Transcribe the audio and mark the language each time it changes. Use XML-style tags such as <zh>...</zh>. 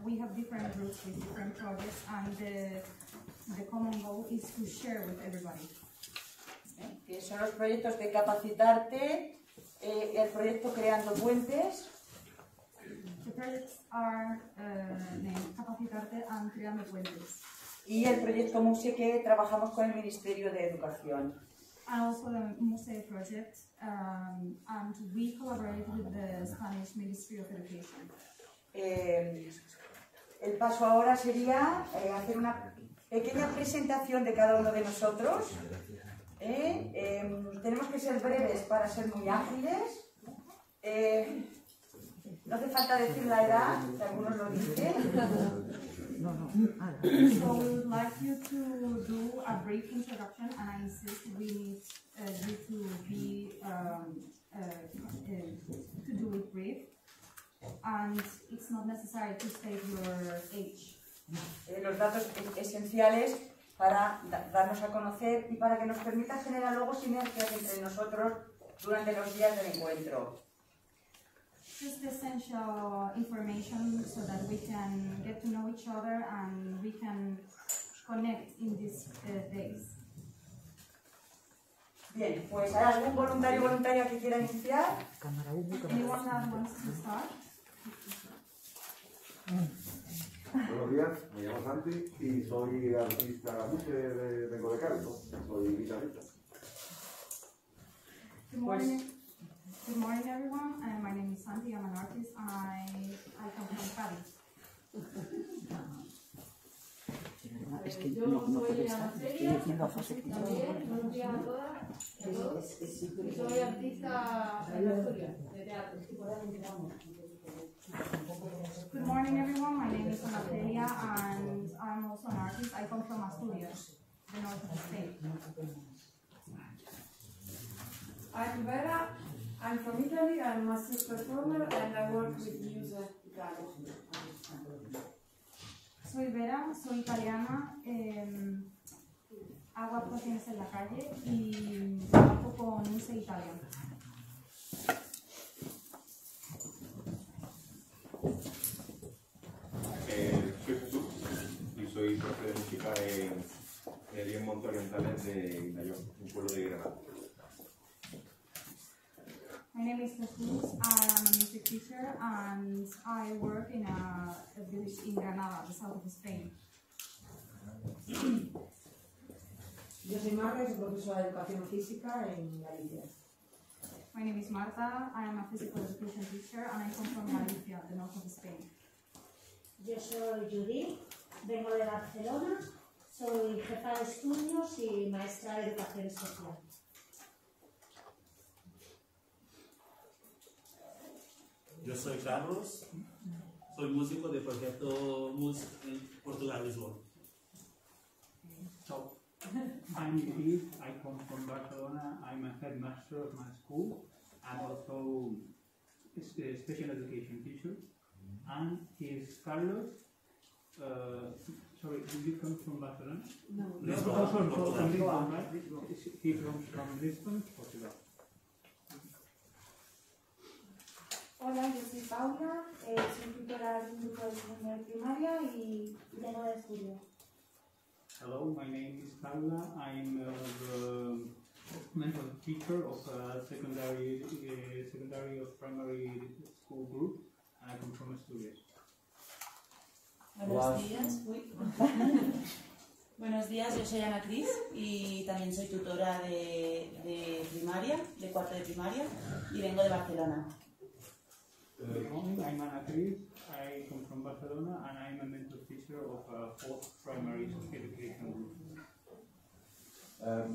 <en>We have different groups with different projects, and the common goal is to share with everybody.</en> <es>Que son los proyectos de capacitarte, el proyecto Creando Puentes.</es> <en>The projects are named Capacitarte and Creando Puentes.</en> <es>Y el proyecto Muse que trabajamos con el Ministerio de Educación.</es> <en>And also the Muse project, and we collaborate with the Spanish Ministry of Education.</en> <es>El paso ahora sería hacer una pequeña presentación de cada uno de nosotros. Tenemos que ser breves para ser muy ágiles. No hace falta decir la edad, que algunos lo dicen.</es> <en>So we would like you to do a brief introduction, and I insist we need you to be to do it brief, and it's not necessary to state your age.</en> <es>Los datos esenciales para darnos a conocer y para que nos permita generar luego sinergias entre nosotros durante los días del encuentro.</es> <en>Just essential information so that we can get to know each other and we can connect in these days.</en> <es>Bien, pues ¿hay algún voluntario o voluntaria que quiera iniciar? Cámara 1, cámara 2.</es> <en>¿Anyone that wants to start?</en> <es>Buenos días, me llamo Santi y soy artista mucho de vengo de Cali, ¿no? Soy guitarrista.</es> <en>Good morning, everyone. My name is Santi. I'm an artist. I come from Cali.</en> <es>Es que yo no puedo estar. Estoy haciendo a José. Buenos días a todas, a todos. Soy artista en Asturias, de teatro.</es> <en>Good morning, everyone. My name is Anatelia, and I'm also an artist. I come from Asturias, the north of Spain. I'm from Italy, I'm a master performer, and I work with music.</en> <es>Soy Vera, soy italiana, hago actuaciones en la calle y trabajo con Muse Italia. Soy Jesús y soy profe de música en el Monte Oriental de Inayón, un pueblo de Granada.</es> <en>My name is Jesús, I'm a music teacher and I work in a village in Granada, the south of Spain.</en> <es>Yo soy Marta, soy profesora de educación física en Galicia.</es> <en>My name is Marta, I am a physical education teacher and I come from Galicia, the north of Spain.</en> <es>Yo soy Judith, vengo de Barcelona, soy jefa de estudios y maestra de educación social. Yo soy Carlos, soy músico de proyecto MUS en Portugal, Lisboa.</es> <en>So, I'm Keith, I come from Barcelona, I'm a headmaster of my school, I'm also a special education teacher. And here's Carlos, sorry, did you come from Barcelona? No. Lisbon, from Lisbon, right? He comes from Lisbon, Portugal.</en> <es>Hola, yo soy Paula, soy tutora de un grupo de secundaria primaria y tengo de estudio.</es> <en>Hello, my name is Paula, I'm the mental teacher of a secondary or primary school group, and I come from Asturias.</en> <es>Buenos días, yo soy Ana Cris y también soy tutora de primaria, de cuarto de primaria, y vengo de Barcelona.</es> <en>I'm Ana Cris, I come from Barcelona and I'm a mental teacher of a fourth primary education group.</en>